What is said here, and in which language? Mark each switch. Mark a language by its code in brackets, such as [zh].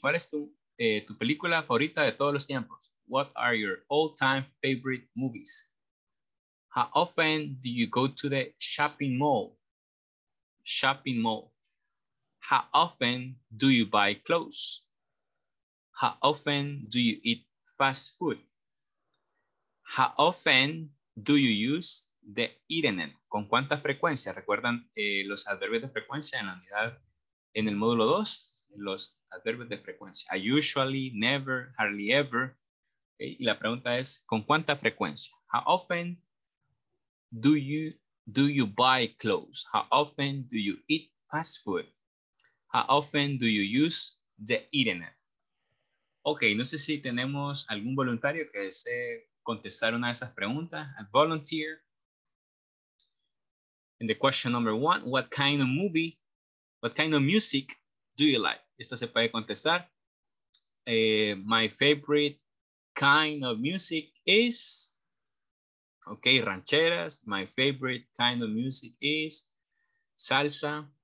[es] ¿Cuál es tu película favorita de todos los tiempos? [en] What are your all-time favorite movies? How often do you go to the shopping mall? Shopping mall. How often do you buy clothes? How often do you eat fast food? How often do you use the internet? [es] ¿Con cuánta frecuencia? ¿Recuerdan los adverbios de frecuencia en la unidad, en el módulo 2? Los adverbios de frecuencia. [en] I usually, never, hardly ever. Okay. [es] Y la pregunta es, ¿con cuánta frecuencia? [en] How often do you buy clothes? [es] How often do you eat fast food? How often do you use the internet? Ok, no sé si tenemos algún voluntario que desee contestar una de esas preguntas. [en] A volunteer. In the question number one, what kind of movie, what kind of music do you like? [es] Esto se puede contestar. [en] My favorite kind of music is, okay, rancheras. My favorite kind of music is salsa.